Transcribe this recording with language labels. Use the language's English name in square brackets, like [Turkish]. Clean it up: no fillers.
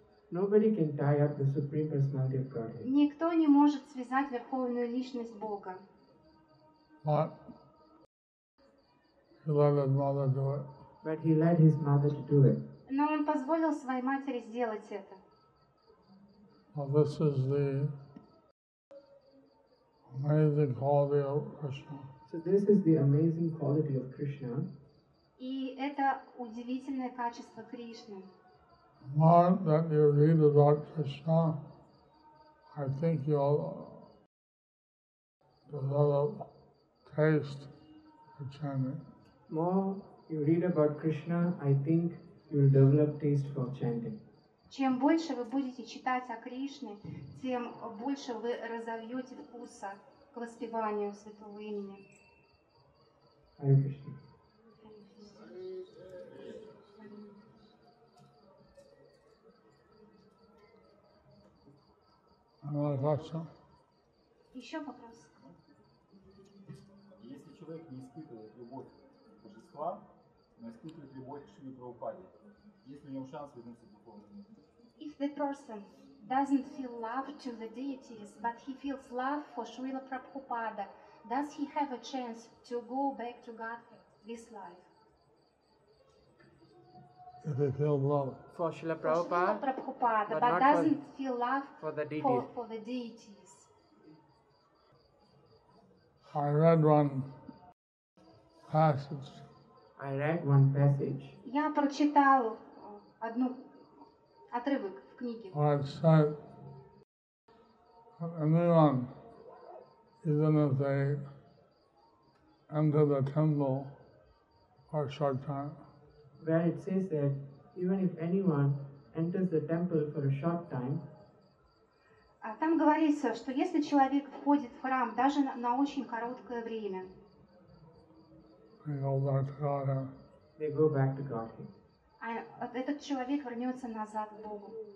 [English] Nobody can tie up the Supreme Personality of Godhead. [Russian] Никто не может связать верховную личность Бога. [English] But he let his mother do it. But he let his mother to do it. [Russian] Но он позволил своей матери сделать это. [English] Well, this is the amazing quality of Krishna. So this is the amazing quality of Krishna. [Russian] И это удивительное качество Кришны. [English] The more that you read about Krishna, I think you'll develop taste for chanting. More you read about Krishna, I think you'll develop taste for chanting. [Russian] Чем больше вы будете читать о Кришне, тем больше вы разовьете вкуса к воспеванию Святого Имени. [English] Hare Krishna. [Russian] Еще вопрос. Если человек не испытывает любовь к Божества, но испытывает любовь к Шри Прабхупаде, есть ли у него шанс вернуться к духовному миру? [English] If the person doesn't feel love to the deities, but he feels love for Srila Prabhupada, does he have a chance to go back to Godhead this life? If they feel love for Srila Prabhupada, but doesn't feel love for the deities. I read one passage. [Russian] Я прочитал одну отрывок в книге. [English] Well, it said, anyone, even if they enter the temple for a short time. Where it says that even if anyone enters the temple for a short time. [Russian] Там говорится, что если человек входит в храм даже на очень короткое время. [English] They go back to Godhead. They go back to Godhead. [Russian] А вот этот человек вернется назад к Богу.